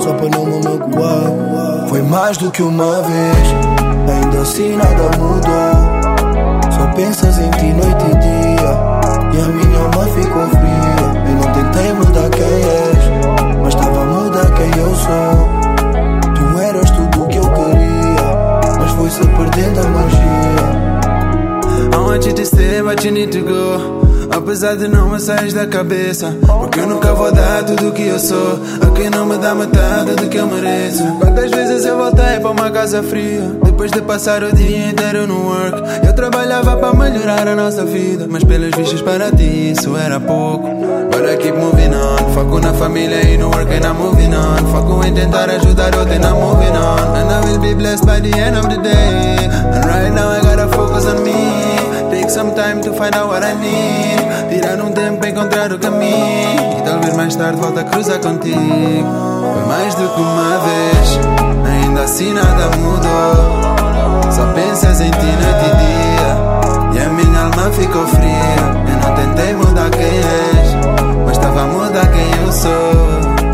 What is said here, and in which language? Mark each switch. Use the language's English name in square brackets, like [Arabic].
[Portuguese] Só pra não me magoar. Foi mais do que uma vez, ainda assim nada mudou. Só pensas em ti noite e dia, e a minha alma ficou fria. Eu não tentei mudar quem és, mas estava a mudar quem eu sou. Tu eras tudo o que eu queria, mas foi-se perdendo a magia. [English] I want you to stay, but you need to go. [Portuguese] Apesar de não me sair da cabeça, porque eu nunca vou dar tudo o que eu sou a quem não me dá metade do que eu mereço. Quantas vezes eu voltei para uma casa fria, depois de passar o dia inteiro no work. Eu trabalhava para melhorar a nossa vida, mas pelas vistas para ti isso era pouco. [English] Agora keep moving on, [Portuguese] foco na família e no [English] work and I'm moving on. [Portuguese] Foco em tentar ajudar outro [English] and I'm moving on. And I will be blessed by the end of the day. And right now I gotta focus on me. Take some time to find out what I need. [Portuguese] Tirar tempo para encontrar o caminho. E talvez mais tarde volte a cruzar contigo. Foi mais do que uma vez, ainda assim nada mudou. Só pensas em ti noite e dia, e a minha alma ficou fria. Eu não tentei mudar quem és, mas estava a mudar quem eu sou.